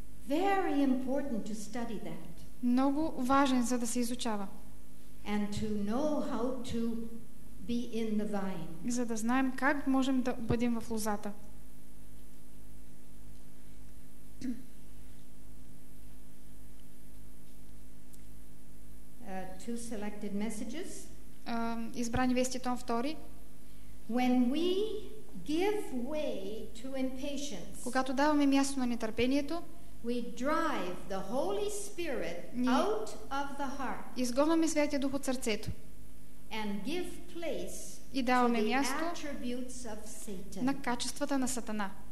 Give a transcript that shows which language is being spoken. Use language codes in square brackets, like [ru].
[en] Very important to study that. [bg] Много важен, за да се изучава. [en] And to know how to be in the vine. [bg] За да знаем как можем да бъдем в лозата. [en] Two selected messages. [bg] Избрани вести, том 2. [en] When we give way to impatience, [bg] когато даваме място на нетърпението, [en] we drive the Holy Spirit out of the heart, [bg] изгонваме Святия Дух от сърцето [en] and give place [bg] и даваме място [en] attributes of Satan. [bg] На качествата на Сатана.